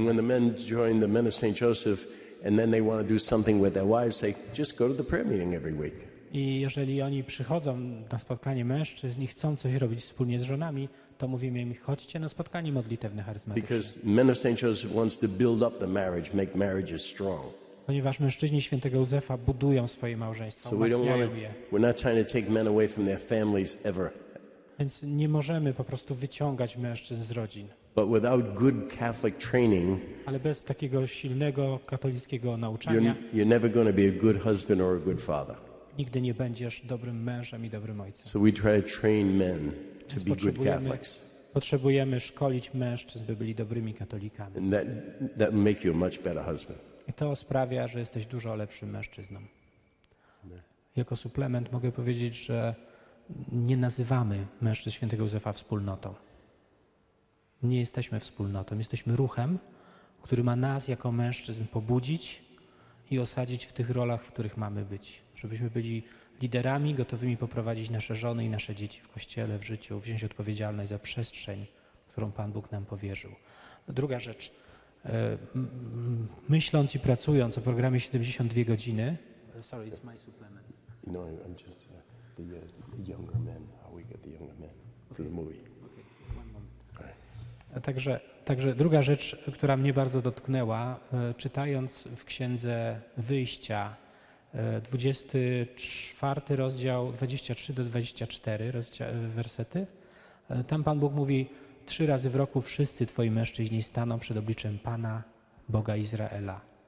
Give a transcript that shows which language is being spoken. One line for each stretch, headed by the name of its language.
English: And when the men join the men of St. Joseph and then they want to do something with their wives, they just go to the prayer meeting every week.
Polish: I jeżeli oni przychodzą na spotkanie mężczyzn i chcą coś robić wspólnie z żonami, to mówimy im, chodźcie na spotkanie modlitewne charyzmatyczne.
English: Because men of St. Joseph wants to build up the marriage, make marriages strong.
Polish: Ponieważ mężczyźni świętego Józefa budują swoje małżeństwa, umacniają je.
English: We're not trying to take men away from their families ever.
Polish: Więc nie możemy po prostu wyciągać mężczyzn z rodzin.
English: But without good Catholic training,
Polish: ale bez takiego silnego katolickiego nauczania,
English: you're never going to be a good husband or a good father.
Polish: Nigdy nie będziesz dobrym mężem i dobrym ojcem.
English: So we try to train men to be good Catholics.
Polish: Potrzebujemy szkolić mężczyzn, by byli dobrymi katolikami.
English: And that make you a much better husband.
Polish: I to sprawia, że jesteś dużo lepszym mężczyzną. Jako suplement mogę powiedzieć, że nie nazywamy mężczyzn świętego Józefa wspólnotą. Nie jesteśmy wspólnotą. Jesteśmy ruchem, który ma nas jako mężczyzn pobudzić i osadzić w tych rolach, w których mamy być. Żebyśmy byli liderami, gotowymi poprowadzić nasze żony i nasze dzieci w kościele, w życiu, wziąć odpowiedzialność za przestrzeń, którą Pan Bóg nam powierzył. Druga rzecz. Myśląc i pracując o programie 72 godziny...
English: Sorry, it's my supplement. No, I'm just... The younger men, how we get the younger men for the movie. Okay.
Polish: Także druga rzecz, która mnie bardzo dotknęła, czytając w Księdze Wyjścia 24 rozdział 23 do 24 wersety, tam Pan Bóg mówi, 3 razy w roku wszyscy twoi mężczyźni staną przed obliczem Pana, Boga Izraela.